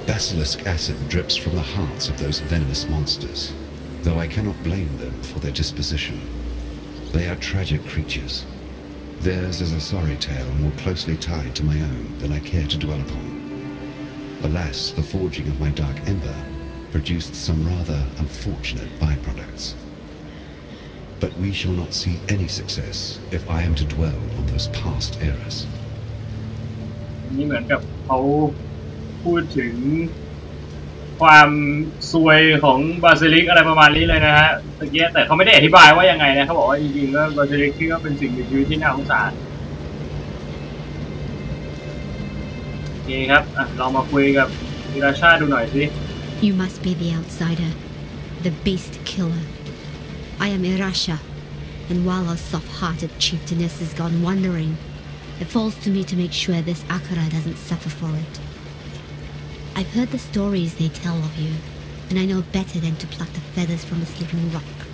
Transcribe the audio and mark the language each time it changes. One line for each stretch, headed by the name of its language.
English: Basilisk Acid drips from the hearts of those venomous monsters though I cannot blame them for their disposition they are tragic creatures theirs is a sorry tale more closely tied to my own than I care to dwell upon alas the forging of my dark emberproduced some rather unfortunate byproducts. But we shall not see any success if I am to dwell on those past errors.
Thai: นี่เหมือนกับเขาพูดถึงความซวยของบาซิลิกอะไรประมาณนี้เลยนะฮะตะเกียบแต่เขาไม่ได้อธิบายว่ายังไงนะเขาบอกว่าจริงๆแล้วบาซิลิกที่ก็เป็นสิ่งมีชีวิตที่น่าสงสารนี่ครับลองมาคุยกับมิราชาดูหน่อยสิ
English: You must be the outsider, the beast killer. I am Irasha, and while our soft-hearted chieftainess has gone wandering, it falls to me to make sure this Akara doesn't suffer for it. I've heard the stories they tell of you, and I know better than to pluck the feathers from a sleeping rock.